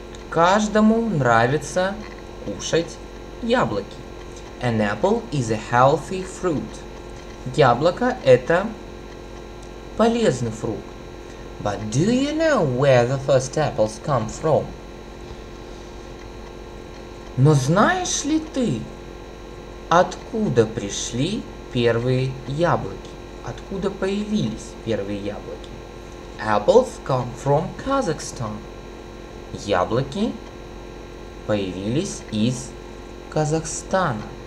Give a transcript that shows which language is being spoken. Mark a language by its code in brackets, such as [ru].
[ru] Каждому нравится кушать яблоки. [en] An apple is a healthy fruit. [ru] Яблоко – это полезный фрукт. [en] But do you know where the first apples come from? [ru] Но знаешь ли ты, откуда пришли первые яблоки? Откуда появились первые яблоки? [en] Apples come from Kazakhstan. [ru] яблоки появились из Казахстана.